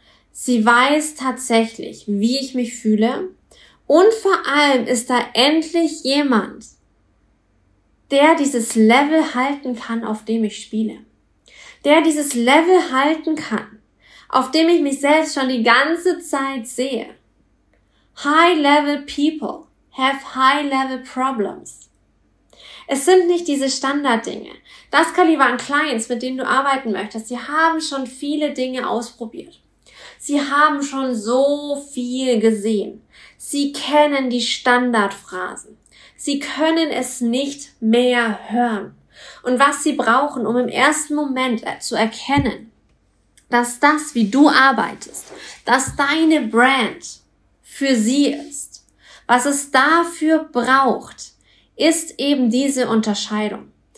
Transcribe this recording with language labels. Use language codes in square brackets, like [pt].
[de] Sie weiß tatsächlich, wie ich mich fühle. Und vor allem ist da endlich jemand, der dieses Level halten kann, auf dem ich spiele. Der dieses Level halten kann, auf dem ich mich selbst schon die ganze Zeit sehe. [en] High-level people have high-level problems. [de] Es sind nicht diese Standarddinge. Das Kaliber an Clients, mit denen du arbeiten möchtest, die haben schon viele Dinge ausprobiert. Sie haben schon so viel gesehen. Sie kennen die Standardphrasen. Sie können es nicht mehr hören. Und was sie brauchen, um im ersten Moment zu erkennen, dass das, wie du arbeitest, dass deine Brand für sie ist, was es dafür braucht, ist eben diese Unterscheidung,